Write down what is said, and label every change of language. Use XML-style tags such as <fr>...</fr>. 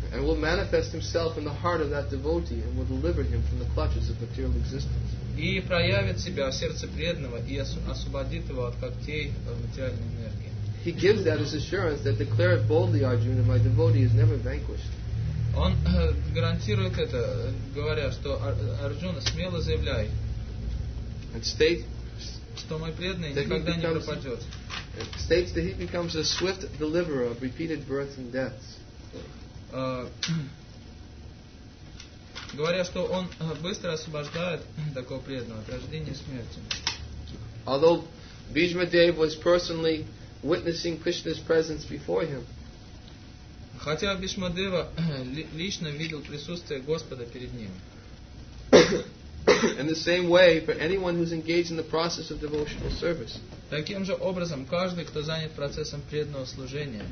<en>And will manifest himself in the heart of that devotee and will deliver him from the clutches of material existence.</en> <ru>И проявит себя в сердце преданного и освободит его от когтей материальной энергии.</ru> <en>He gives that as assurance that declared boldly, Arjuna, my devotee is never vanquished.</en> <ru>Он гарантирует это, говоря, что Арджуна, смело заявляй,</ru> <en>and state,</en> <ru>что мой преданный никогда не пропадет.</ru> <en>States that he becomes a swift deliverer of repeated births and deaths.</en> <ru>Говоря, что он быстро освобождает такого преданного от рождения и смерти.</ru> <en>Although Bhishma Dev was personally witnessing Krishna's presence before him.</en> <ru>Хотя Бхишма Дева лично видел присутствие Господа перед ним.</ru> <en>In the same way, for anyone who's engaged in the process of devotional service.</en> <ru>Таким же образом, каждый, кто занят процессом преданного служения.</ru>